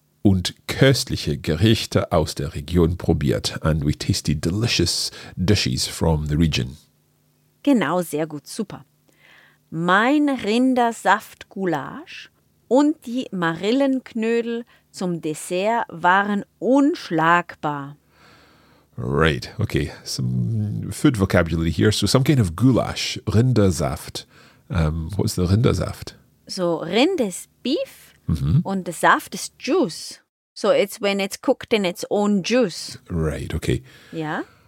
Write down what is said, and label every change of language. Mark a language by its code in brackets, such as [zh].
[de] Und köstliche Gerichte aus der Region probiert. [en] And we tasted delicious dishes from the region. [de] Genau, sehr gut, super. Mein Rindersaftgulasch und die Marillenknödel zum Dessert waren unschlagbar. [en] Right, okay. Some food vocabulary here. So some kind of goulash, Rindersaft. What's the Rindersaft? So Rind is beef. [de] Und der Saft ist [en] Juice. So it's when it's cooked in its own juice. Right, okay. Yeah.